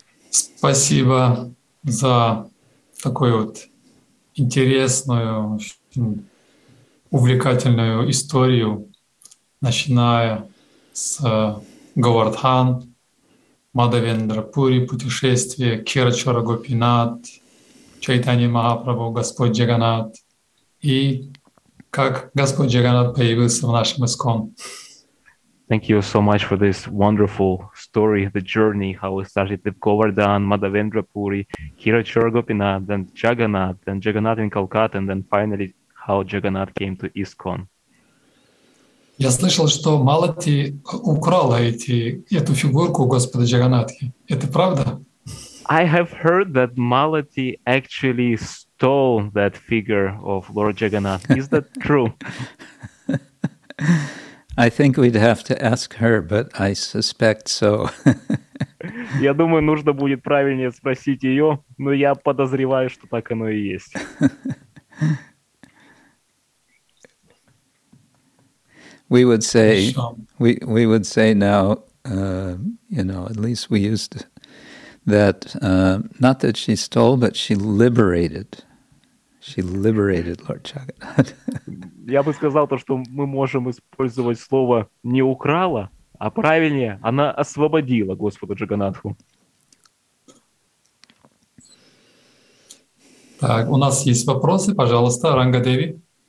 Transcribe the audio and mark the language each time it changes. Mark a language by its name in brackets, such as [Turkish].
[Russian] Спасибо за такую вот интересную, увлекательную историю, начиная с Говардхан, Мадхавендрапури, путешествия, Кирачара Гопинат, Чайтани Махапрабху, Господь Джаганат и как Господь Джаганат появился в нашем ИСККОН. [English] Thank you so much for this wonderful story, the journey, how we started with Govardhan, Madhavendra Puri, Kirachara Gopinath, then Jagannath, then Jagannath in Calcutta, and then finally how Jagannath came to ISKCON. [Russian] Я слышал, что Малати украла эту фигурку Господа Джаганатхи. Это правда? [English] I have heard that Malati actually stole that figure of Lord Jagannath. Is that true? I think we'd have to ask her, but I suspect so. [Russian] Я думаю, нужно будет правильнее спросить ее, но я подозреваю, что так оно и есть. [English] We would say now, at least we used that, not that she stole, but she liberated. She liberated Lord Jagannath. [Russian] Я бы сказал то, что мы можем использовать слово не украла, а правильнее, она освободила Господа Джаганатху. Так, у нас есть вопросы, пожалуйста, Ранга Деви.